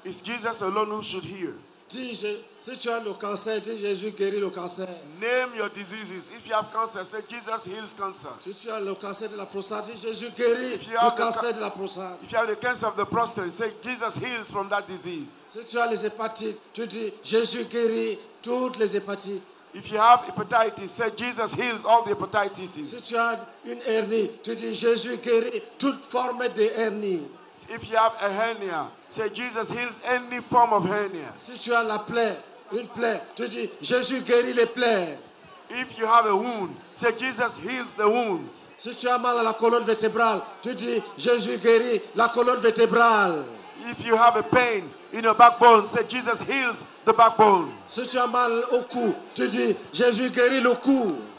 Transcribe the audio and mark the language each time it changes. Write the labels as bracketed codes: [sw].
[en] It's Jesus alone who should hear. [fr] Si tu as le cancer, dis Jésus guérit le cancer. [en] Name your diseases. If you have cancer, say Jesus heals cancer. [fr] Si tu as le cancer de la prostate, dis Jésus guérit le cancer de la prostate. [en] If you have the cancer of the prostate, say Jesus heals from that disease. [fr] Si tu as les hépatites, tu dis Jésus guérit toutes les hépatites. [en] If you have hepatitis, say Jesus heals all the hepatitis. [fr] Si tu as une hernie, tu dis Jésus guérit toute forme de hernie. [en] If you have a hernia, say Jesus heals any form of hernia. [fr] Si tu as la plaie, une plaie, tu dis Jésus guérit les plaies. [en] If you have a wound, say Jesus heals the wounds. [fr] Si tu as mal à la colonne vertébrale, tu dis Jésus guérit la colonne vertébrale. [en] If you have a pain in your backbone, say Jesus heals the backbone. [fr] Si tu as mal au cou, tu dis Jésus guérit le cou.